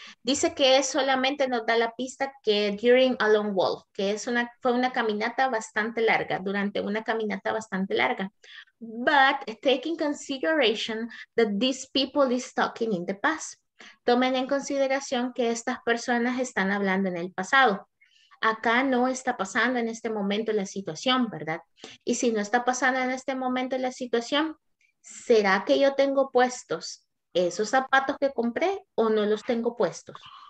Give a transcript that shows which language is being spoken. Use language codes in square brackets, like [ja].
[es] Dice que solamente nos da la pista que [en] during a long walk, [es] que es una, fue una caminata bastante larga, durante una caminata bastante larga. [en] But taking consideration that these people is talking in the past. [es] Tomen en consideración que estas personas están hablando en el pasado. Acá no está pasando en este momento la situación, ¿verdad? Y si no está pasando en este momento la situación, ¿será que yo tengo puestos esos zapatos que compré o no los tengo puestos?